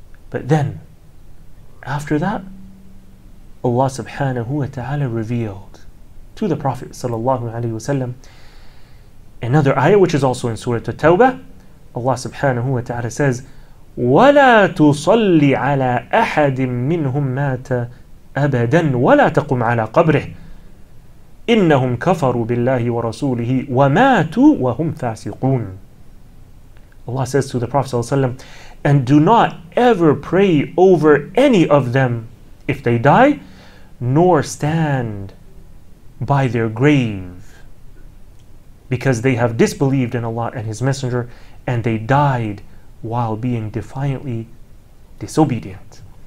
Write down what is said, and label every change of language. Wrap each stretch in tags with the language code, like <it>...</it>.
<en>But then, after that, Allah subhanahu wa ta'ala revealed to the Prophet sallallahu alaihi wasallam another ayah, which is also in Surah At-Tawbah. Allah subhanahu wa ta'ala says,</en> <ar>"وَلَا تُصَلِّ عَلَىٰ أَحَدٍ مِّنْهُمْ مَاتَ أَبَدًا وَلَا تَقُمْ عَلَىٰ قَبْرِهِ إِنَّهُمْ كَفَرُوا بِاللَّهِ وَرَسُولِهِ وَمَاتُوا وَهُمْ فَاسِقُونَ."</ar> <en>Allah says to the Prophet sallallahu alaihi wasallam, "And do not ever pray over any of them if they die, nor stand by their grave, because they have disbelieved in Allah and His Messenger, and they died while being defiantly disobedient."</en>